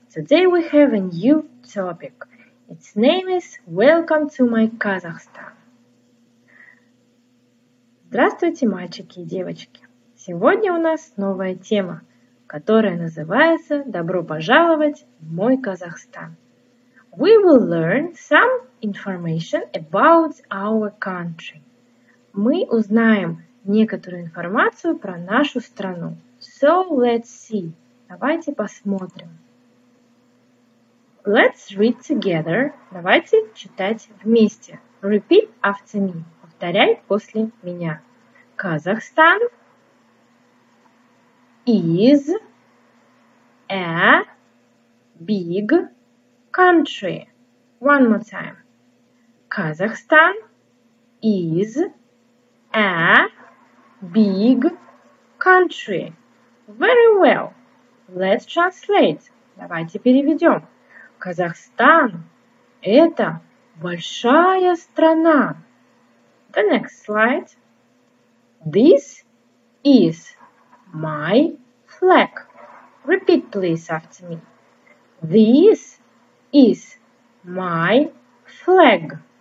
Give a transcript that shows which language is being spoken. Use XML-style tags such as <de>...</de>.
<en>Today we have a new topic. Its name is Welcome to my Kazakhstan.</en> <ru>Здравствуйте, мальчики и девочки. Сегодня у нас новая тема, которая называется Добро пожаловать в мой Казахстан.</ru> <en>We will learn some information about our country.</en> <ru>Мы узнаем некоторую информацию про нашу страну.</ru> <en>So let's see.</en> <ru>Давайте посмотрим.</ru> <en>Let's read together.</en> <ru>Давайте читать вместе.</ru> <en>Repeat after me.</en> <ru>Повторяй после меня.</ru> <en>Kazakhstan is a big country. One more time. Kazakhstan is a big country. Very well. Let's translate.</en> <ru>Давайте переведем. Казахстан – это большая страна.</ru> <en>The next slide. This is my flag. Repeat, please, after me. This is my flag.</en>